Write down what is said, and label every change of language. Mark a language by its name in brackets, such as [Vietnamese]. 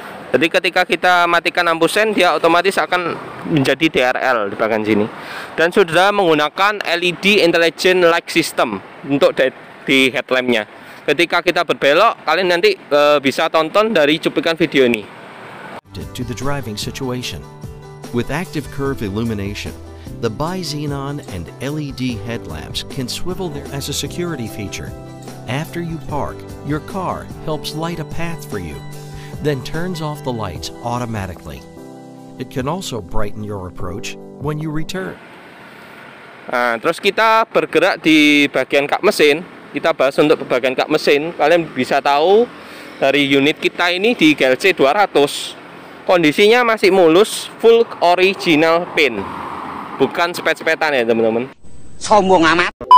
[Indonesian] Jadi ketika kita matikan lampu sein, dia otomatis akan menjadi DRL di bagian sini. Dan sudah menggunakan LED Intelligent Light System untuk di headlampnya. Ketika kita berbelok, kalian nanti bisa tonton dari cuplikan video ini. [English] To the driving situation. With active curve illumination, the bi-xenon and LED headlamps can swivel there as a security feature. After you park, your car helps light a path for you, then turns off the lights automatically. It can also brighten your approach when you return. [Indonesian] Nah, terus kita bergerak di bagian kap mesin. Kita bahas untuk bagian kap mesin. Kalian bisa tahu dari unit kita ini di GLC 200 kondisinya masih mulus, full original paint. Bukan spet-spetan ya, teman-teman. Sombong amat.